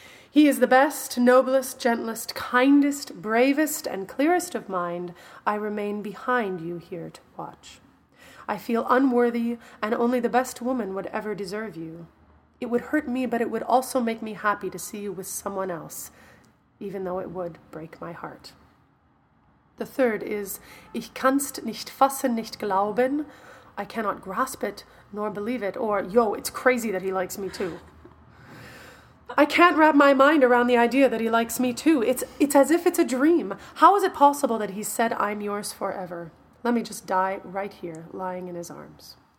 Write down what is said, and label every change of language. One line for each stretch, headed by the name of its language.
English: He is the best, noblest, gentlest, kindest, bravest, and clearest of mind. I remain behind you here to watch. I feel unworthy, and only the best woman would ever deserve you. It would hurt me, but it would also make me happy to see you with someone else, even though it would break my heart. The third is,
German: Ich kann's nicht fassen, nicht glauben.
English: I cannot grasp it, nor believe it. Or, yo, it's crazy that he likes me too. I can't wrap my mind around the idea that he likes me too. It's as if it's a dream. How is it possible that he said, I'm yours forever? Let me just die right here, lying in his arms.